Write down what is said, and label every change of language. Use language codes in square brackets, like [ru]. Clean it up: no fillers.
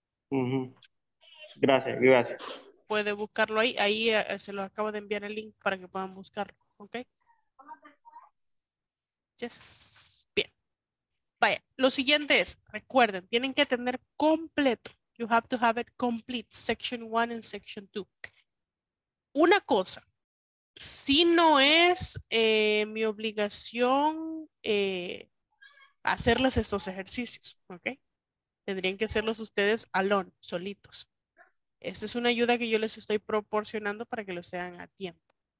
[es] Uh-huh. Gracias. Puede buscarlo ahí, se lo acabo de enviar el link para que puedan buscarlo, ¿ok? Yes. Vaya, lo siguiente es, recuerden, tienen que tener completo. [en] You have to have it complete, section 1 and section 2. [es] Una cosa, si no es mi obligación hacerles estos ejercicios, ¿ok? Tendrían que hacerlos ustedes [en] alone, [es] solitos. Esta es una ayuda que yo les estoy proporcionando para que lo sean a tiempo.